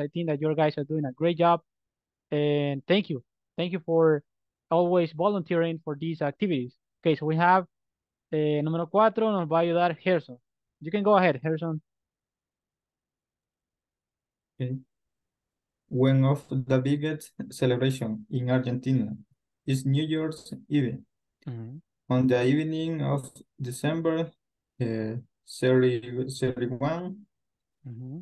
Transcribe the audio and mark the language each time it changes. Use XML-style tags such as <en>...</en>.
<en>I think that your guys are doing a great job. And thank you. Thank you for always volunteering for these activities. Okay, so we have</en> <es>número cuatro, nos va a ayudar Harrison.</es> <en>You can go ahead, Harrison. Okay. When of the biggest celebration in Argentina is New Year's Eve. Mm-hmm. On the evening of December 31, mm-hmm.</en>